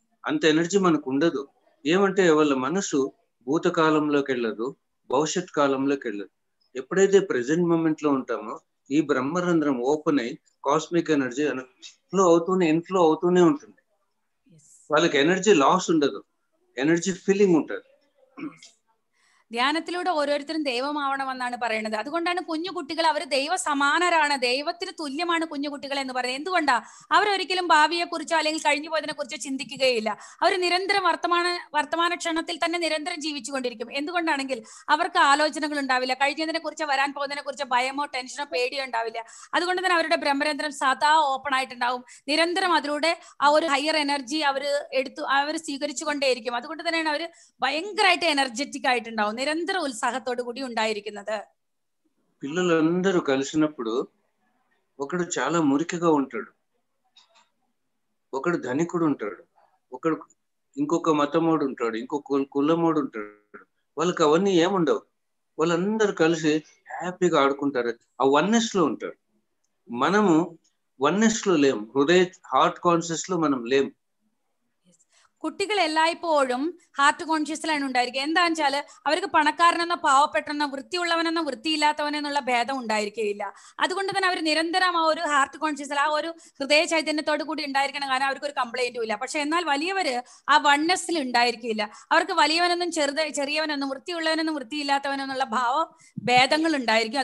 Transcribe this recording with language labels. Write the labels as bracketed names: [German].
[Telugu] అంత ఎనర్జీ మనకు ఉండదు. ఏమంటే వాళ్ళ మనసు భూతకాలంలోకి వెళ్ళదు, భవిష్యత్ కాలంలోకి వెళ్ళదు. ఎప్పుడైతే ప్రెజెంట్ మూమెంట్లో ఉంటామో ఈ బ్రహ్మరంధ్రం ఓపెన్ అయి కాస్మిక్ ఎనర్జీ ఫ్లో అవుతూనే ఇన్ఫ్లో అవుతూనే ఉంటుంది. వాళ్ళకి ఎనర్జీ లాస్ ఉండదు, ఎనర్జీ ఫిల్లింగ్ ఉంటుంది. [Malayalam] ധ്യാനത്തിലൂടെ ഓരോരുത്തരും ദൈവമാവണമെന്നാണ് പറയുന്നത്. അതുകൊണ്ടാണ് കുഞ്ഞു കുട്ടികൾ, അവർ ദൈവ സമാനരാണ്, ദൈവത്തിന് തുല്യമാണ് കുഞ്ഞു കുട്ടികൾ എന്ന് പറയുന്നത്. എന്തുകൊണ്ടാ, അവരൊരിക്കലും ഭാവിയെക്കുറിച്ചോ അല്ലെങ്കിൽ കഴിഞ്ഞു പോയതിനെ കുറിച്ചോ ചിന്തിക്കുകയില്ല. അവർ നിരന്തരം വർത്തമാന ക്ഷണത്തിൽ തന്നെ നിരന്തരം ജീവിച്ചു കൊണ്ടിരിക്കും. എന്തുകൊണ്ടാണെങ്കിൽ അവർക്ക് ആലോചനകൾ ഉണ്ടാവില്ല, കഴിഞ്ഞതിനെ കുറിച്ച് വരാൻ പോകുന്നതിനെ കുറിച്ച് ഭയമോ ടെൻഷനോ പേടിയോ ഉണ്ടാവില്ല. അതുകൊണ്ട് തന്നെ അവരുടെ ബ്രഹ്മരന്ധ്രം സദാ ഓപ്പൺ ആയിട്ടുണ്ടാവും. നിരന്തരം അതിലൂടെ ആ ഒരു ഹയർ എനർജി അവർ സ്വീകരിച്ചു കൊണ്ടേയിരിക്കും. അതുകൊണ്ട് തന്നെയാണ് അവർ ഭയങ്കരമായിട്ട് എനർജറ്റിക് ആയിട്ടുണ്ടാവും, നിരന്തരം ഉത്സാഹത്തോടു കൂടി ഉണ്ടായിരിക്കുന്നത്. [Telugu] പിള്ളലന്തരൂ കലിസിനപ്പോൾ ഒക്കടു చాలా മുരികగా ഉണ്ടാടു, ഒക്കടു ധനികుడు ഉണ്ടാടു, ഒക്കടു ఇంకొక మతమోడు ఉంటాడు, ఇంకొక కులమోడు ఉంటాడు. వాళ్ళకి అవన్నీ ఏముండవు. వాళ్ళందరూ కలిసి హ్యాపీగా ఆడుకుంటారు, ఆ వన్నెస్ లో ఉంటారు. మనము వన్నెస్ లో లేం, హృదయ హార్ట్ కాన్షియస్ లో మనం లేం. [Malayalam] കുട്ടികൾ എല്ലായ്പ്പോഴും ഹാർട്ട് കോൺഷ്യസിലാണ് ഉണ്ടായിരിക്കുക. എന്താണെന്ന് വെച്ചാല് അവർക്ക് പണക്കാരനെന്നോ പാവപ്പെട്ടെന്നോ വൃത്തിയുള്ളവനെന്നോ വൃത്തിയില്ലാത്തവനെന്നുള്ള ഭേദം ഉണ്ടായിരിക്കുകയില്ല. അതുകൊണ്ട് തന്നെ അവർ നിരന്തരം ആ ഒരു ഹാർട്ട് കോൺഷ്യസിൽ ആ ഒരു ഹൃദയ ചൈതന്യത്തോടു കൂടി ഉണ്ടായിരിക്കണം, കാരണം അവർക്ക് ഒരു കംപ്ലൈന്റും ഇല്ല. പക്ഷെ എന്നാൽ വലിയവര് ആ വണ്ണസിൽ ഉണ്ടായിരിക്കില്ല. അവർക്ക് വലിയവനൊന്നും ചെറിയവനൊന്നും വൃത്തിയുള്ളവനൊന്നും വൃത്തിയില്ലാത്തവനെന്നുള്ള ഭാവ ഭേദങ്ങൾ ഉണ്ടായിരിക്കും.